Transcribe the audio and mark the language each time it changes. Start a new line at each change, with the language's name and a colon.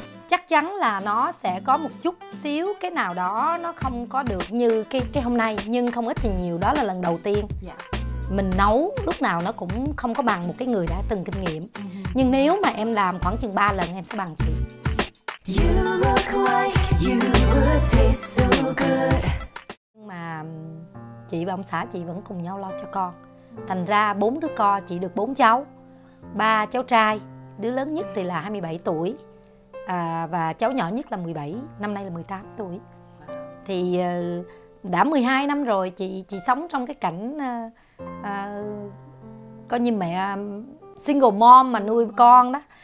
Vietnamese: Chắc chắn là nó sẽ có một chút xíu cái nào đó nó không có được như cái hôm nay, nhưng không ít thì nhiều, đó là lần đầu tiên. Mình nấu lúc nào nó cũng không có bằng một cái người đã từng kinh nghiệm. Nhưng nếu mà em làm khoảng chừng 3 lần em sẽ bằng chị.
English: You look like you would taste so good.
Vietnamese: Mà chị và ông xã chị vẫn cùng nhau lo cho con. Thành ra 4 đứa con, chị được 4 cháu. 3 cháu trai, đứa lớn nhất thì là 27 tuổi. Và cháu nhỏ nhất là 17, năm nay là 18 tuổi. Thì đã 12 năm rồi chị sống trong cái cảnh coi như mẹ single mom mà nuôi con đó.